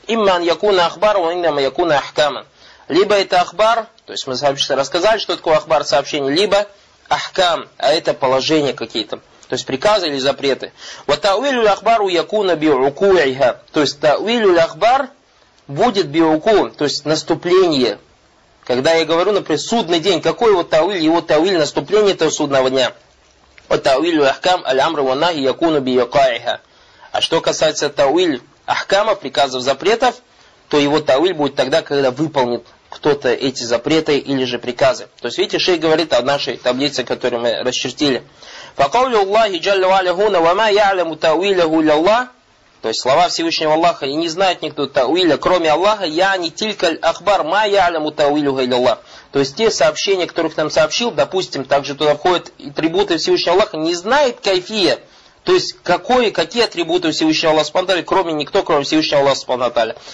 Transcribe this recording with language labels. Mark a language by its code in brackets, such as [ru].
[ar] Имма ан якуна ахбар, ва иннама якуна ахкаман. [ru] Либо это ахбар, то есть мы рассказали, что такое ахбар, сообщение, либо ахкам, а это положения какие-то, то есть приказы или запреты. [ar] Ва тауилю ахбару якуна би укуйха. [ru] То есть тауилю ахбар будет би уку, то есть наступление. Когда я говорю, например, судный день, какой его тауиль, его тауиль, наступление этого судного дня. [ar] وتأويل الأحكام الأمر والنهي يكون بيقاعها. [ru] А что касается тауил ахкама, приказов, запретов, то его тауил будет тогда, когда выполнит кто-то эти запреты или же приказы. То есть видите, шейх говорит о нашей таблице, которую мы расчертили. [ar] فقول الله جل وعلا هنا وما يعلم تأويله إلا الله. [ru] То есть слова Всевышнего Аллаха, и не знает никто тауиля, кроме Аллаха. Я не только ахбар, [ar] ма я'ляму тауилюха илляллах. [ru] То есть те сообщения, которых нам сообщил, допустим, также туда входят атрибуты Всевышнего Аллаха, не знает кайфия. То есть какой, какие атрибуты Всевышнего Аллаха Субхану ва Тааля, кроме никто, кроме Всевышнего Аллаха Субхану ва Тааля.